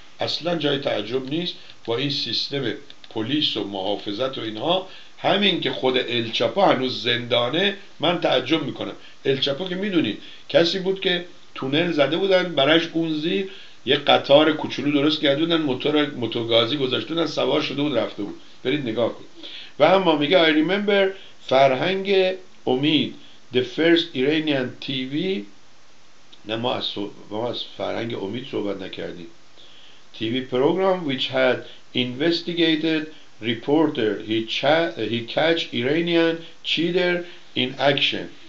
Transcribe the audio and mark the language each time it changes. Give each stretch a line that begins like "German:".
Persian: اصلا جای تعجب نیست با این سیستم پلیس و محافظت و اینها. همین که خود الچاپو هنوز زندانه من تعجب میکنم. الچاپو که میدونید کسی بود که تونل زده بودن برش اون زیر یه قطار کوچولو درست کرده بودن، موتورگازی گذاشته بودن، سوار شده بود رفته بود. برید نگاه کن. و اما میگه
English: I remember فرهنگ امید The first Iranian TV.
Persian: نه ما از فرهنگ امید صحبت نکردیم.
English: TV program which had investigated reporter he catch Iranian cheater in action.